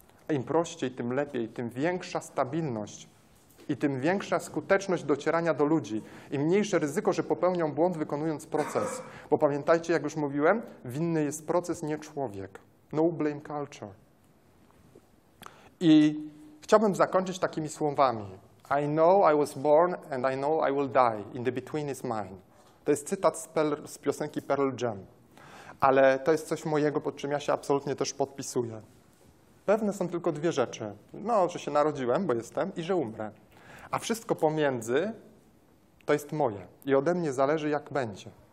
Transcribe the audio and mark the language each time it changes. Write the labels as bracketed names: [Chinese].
[Polish] Im prościej, tym lepiej, tym większa stabilność i tym większa skuteczność docierania do ludzi i mniejsze ryzyko, że popełnią błąd, wykonując proces. Bo pamiętajcie, jak już mówiłem, winny jest proces, nie człowiek. [English] No blame culture. [Polish] I chciałbym zakończyć takimi słowami. [English] I know I was born and I know I will die. In the between is mine. [Polish] To jest cytat z piosenki Pearl Jam. Ale to jest coś mojego, pod czym ja się absolutnie też podpisuję. Pewne są tylko dwie rzeczy. No, że się narodziłem, bo jestem, i że umrę. A wszystko pomiędzy to jest moje. I ode mnie zależy, jak będzie.